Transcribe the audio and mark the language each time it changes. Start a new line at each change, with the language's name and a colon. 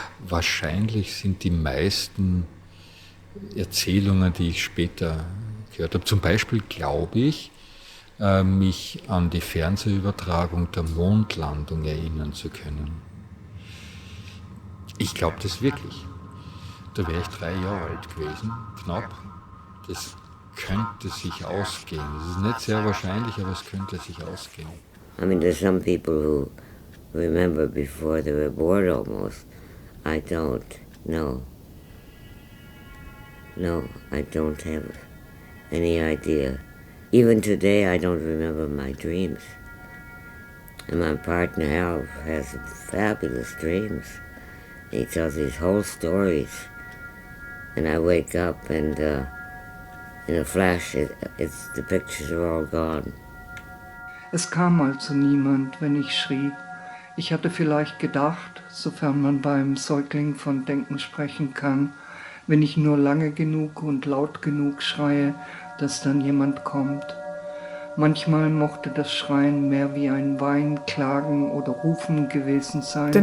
German: Wahrscheinlich sind die meisten Erzählungen, die ich später gehört habe, zum Beispiel glaube ich, mich an die Fernsehübertragung der Mondlandung erinnern zu können. Ich glaube das wirklich. Da wäre ich 3 Jahre alt gewesen, knapp. Das könnte sich ausgehen. Es ist nicht sehr wahrscheinlich, aber es könnte sich ausgehen.
English: I mean, there's some people who remember before they were born almost. I don't. No. No, I don't have any idea. Even today, I don't remember my dreams. And my partner Al has fabulous dreams. He tells these whole stories. And I wake up and in a flash, the pictures are all gone.
German: Es kam also niemand, wenn ich schrieb. Ich hatte vielleicht gedacht, sofern man beim Säugling von Denken sprechen kann, wenn ich nur lange genug und laut genug schreie, dass dann jemand kommt. Manchmal mochte das Schreien mehr wie ein Weinen, Klagen oder Rufen gewesen sein.